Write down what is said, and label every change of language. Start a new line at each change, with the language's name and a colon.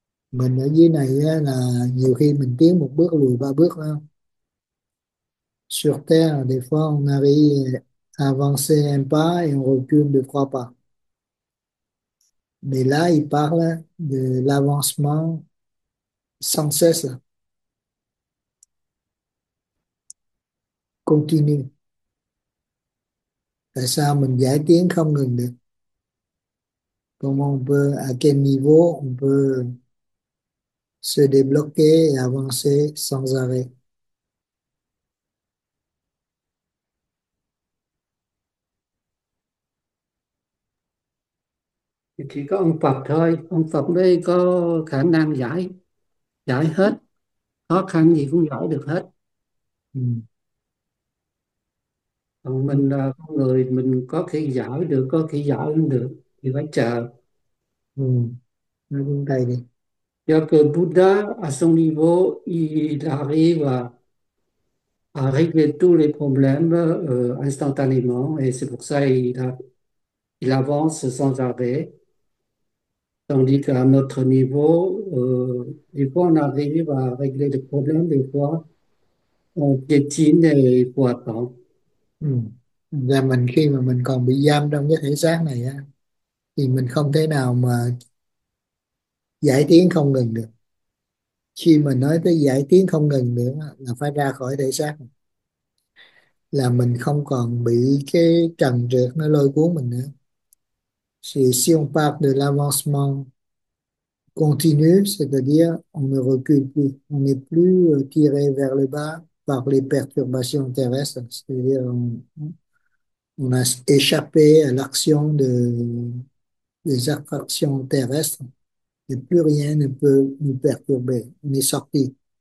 Vietnamese: Mình ở dưới này là nhiều khi mình tiến một bước lùi ba bước không?
French: Sur Terre, des fois on arrive à avancer un pas et on recule de trois pas. Mais là, il parle de l'avancement sans cesse. Continue.
Vietnamese: Tại sao mình giải tiến không ngừng được?
French: Comment on peut, à quel niveau on peut se débloquer et avancer sans arrêt?
Vietnamese: Chỉ có ông Phật thôi, ông Phật mới có khả năng giải giải hết, khó khăn gì cũng giải được hết. Còn mình là con người, mình có khi giải được, có khi giải không được, thì phải chờ. Nói chung đây đi.
French: Do que Buddha à son niveau, il arrive à régler tous les problèmes instantanément, et c'est pour ça il avance sans arrêt. Tandis qu'à notre niveau, des fois on arrive à régler des problèmes, des fois on piétine et faut attendre.
Vietnamese: Là mình khi mà mình còn bị giam trong cái thể xác này á, thì mình không thể nào mà giải tiến không ngừng được. Khi mà nói tới giải tiến không ngừng nữa là phải ra khỏi thể xác, là mình không còn bị cái trần trược nó lôi cuốn mình nữa.
French: Si si on part de l'avancement continu, c'est-à-dire on ne recule plus, on n'est plus tiré vers le bas par les perturbations terrestres, c'est-à-dire on a échappé à l'action des attractions terrestres et plus rien ne peut nous perturber. On est sorti.